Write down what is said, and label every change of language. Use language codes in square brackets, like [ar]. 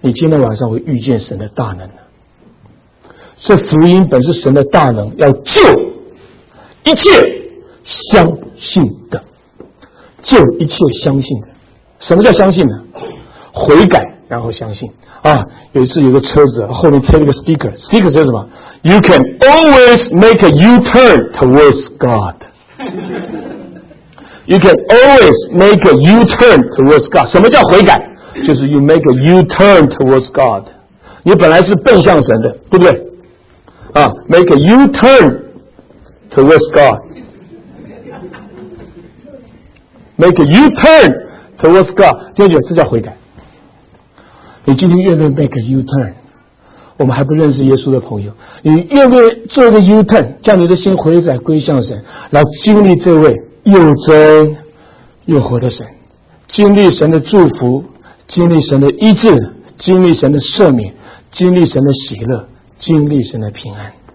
[zh] 你今天晚上会遇见神的大能。这福音本是神的大能，要救一切相信的，救一切相信的。什么叫相信呢？悔改然后相信啊。有一次有个车子后面贴了个 sticker 是什么？ [en] You can always make a U-turn towards God. You can always make a U-turn towards God. [zh] 什么叫悔改？就是 [en] you make a U-turn towards God. [zh] 你本来是奔向神的，对不对啊？ [en] Make a U-turn towards God. Make a U-turn towards God. [zh] 弟兄姐妹，这叫悔改。你今天愿不愿意 [en] make a U-turn? [zh] 我们还不认识耶稣的朋友，你愿不愿意做一个 U-turn, 将你的心回转归向神，来经历这位又真又活的神，经历神的祝福，经历神的医治，经历神的赦免，经历神的喜乐，经历神的平安。